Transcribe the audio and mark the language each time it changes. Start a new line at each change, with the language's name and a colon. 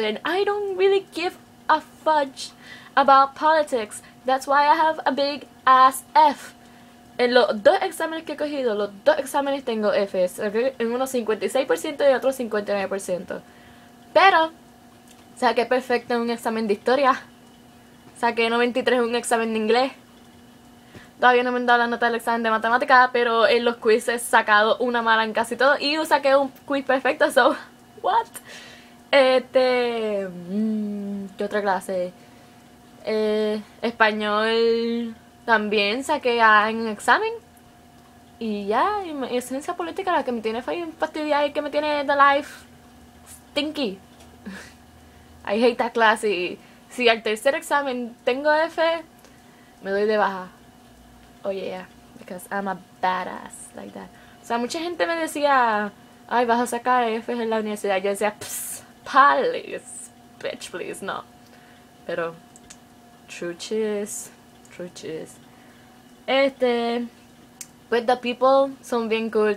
English: And I don't really give a fudge about politics. That's why I have a big ass F.
Spanish: En los dos exámenes que he cogido, los dos exámenes tengo Fs. Okay? En uno 56% y otro 59%. Pero, saqué perfecto en un examen de historia. Saqué 93 en un examen de inglés. Todavía no me han dado la nota del examen de matemática, pero en los quizzes he sacado una mala en casi todo. Y saqué un quiz perfecto,
English: so, what?
Spanish: ¿Qué otra clase? Español también saqué A en un examen. Y ya, y ciencia política, la que me tiene fastidiada y que me tiene
English: the life stinky. I hate that class.
Spanish: Y si al tercer examen tengo F, me doy de baja.
English: Oh yeah, because I'm a badass like that.
Spanish: O sea, mucha gente me decía, ay, vas a sacar F en la universidad. Yo decía, psst,
English: please, bitch, please,
Spanish: no. Pero, truches, truches.
English: With the people,
Spanish: son bien cool.